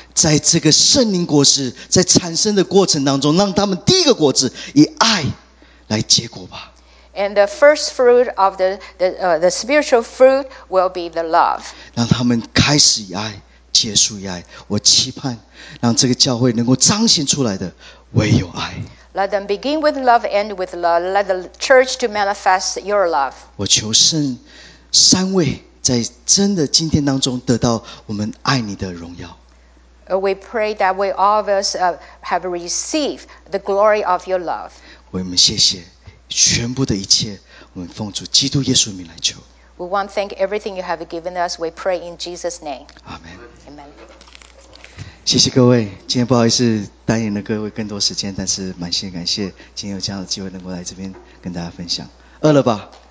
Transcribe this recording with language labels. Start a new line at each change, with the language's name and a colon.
Chinese: 在这个圣灵果实在产生的过程当中，让他们第一个果子以爱来结果吧。
English: And the first fruit of the spiritual fruit will be the love.
Chinese: 让他们开始以爱，结束以爱。我期盼让这个教会能够彰显出来的唯有爱。
English: Let them begin with love, end with love. Let the church to manifest your love.
Chinese: 我求圣三位在真的今天当中得到我们爱你的荣耀。
English: We pray that we all of us have received the glory of your love.
Chinese: 为我们谢谢全部的一切，我们奉主基督耶稣名来求。
English: We want to thank everything you have given us. We pray in Jesus' name. Amen. Amen.
Chinese: 谢谢各位，今天不好意思耽延了各位更多时间，但是满心感谢今天有这样的机会能够来这边跟大家分享。饿了吧？